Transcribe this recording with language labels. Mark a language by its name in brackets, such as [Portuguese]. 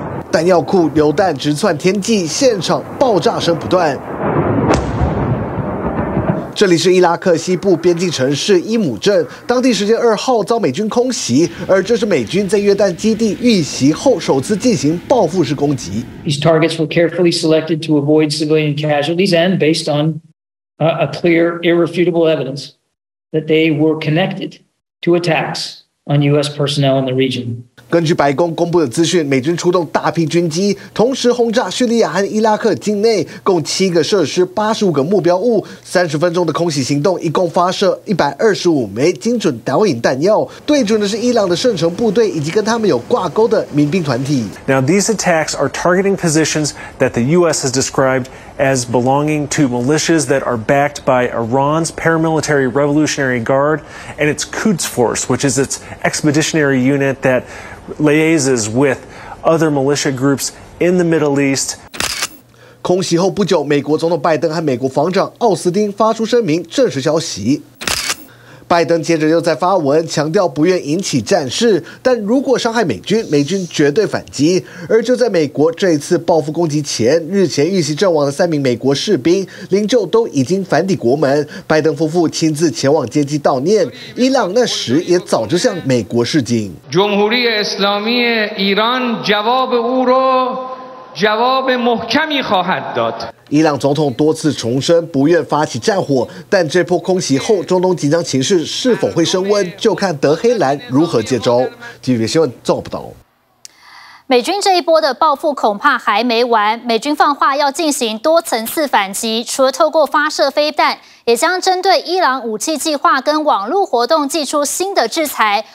[Chinese] 弹药库榴弹直窜天际，现场爆炸声不断。这里是伊拉克西部边境城市伊姆镇，当地时间2号遭美军空袭，而这是美军在约旦基地遇袭后首次进行报复式攻击。 [English] These targets were carefully selected to avoid civilian casualties and based on a clear, irrefutable evidence that they were connected to attacks on U.S. personnel in the region. [Chinese] 根据白宫公布的资讯，美军出动大批军机，同时轰炸叙利亚和伊拉克境内共7个设施、85个目标物。 30分钟的空袭行动，一共发射125枚精准导引弹药，对准的是伊朗的圣城部队以及跟他们有挂钩的民兵团体。 [English] Now these attacks are targeting positions that the U.S. has described as belonging to militias that are backed by Iran's paramilitary Revolutionary Guard and its Quds Force, which is its expeditionary unit that liaises with other militia groups in the Middle East. [Chinese] 空袭后不久，美国总统拜登和美国防长奥斯汀发出声明证实消息。拜登接着又在发文强调不愿引起战事，但如果伤害美军，美军绝对反击。而就在美国这一次报复攻击前，日前遇袭阵亡的三名美国士兵灵柩都已经返抵国门，拜登夫妇亲自前往接机悼念。伊朗那时也早就向美国示警。 [Persian] جمهوری اسلامی ایران جواب او را جواب محکمی خواهد داد。 [Chinese] 伊朗总统多次重申不愿发起战火，但这波空袭后，中东紧张情势是否会升温，就看德黑兰如何接招。体育新闻做不到。美军这一波的报复恐怕还没完，美军放话要进行多层次反击，除了透过发射飞弹，也将针对伊朗武器计划跟网络活动祭出新的制裁。